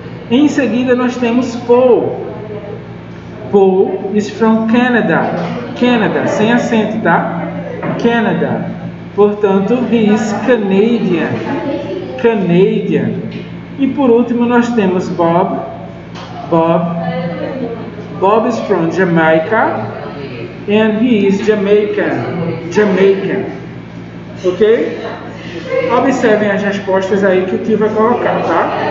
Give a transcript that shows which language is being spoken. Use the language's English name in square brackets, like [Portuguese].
[Portuguese] Em seguida, nós temos Paul. [English] Paul is from Canada. [Portuguese] Canada, sem acento, tá? Canada. Portanto, [English] he is Canadian. [Portuguese] Canadian. E por último, nós temos Bob. Bob. [English] Bob is from Jamaica and he is Jamaican. Ok? [Portuguese] Observem as respostas aí que o tio vai colocar, tá?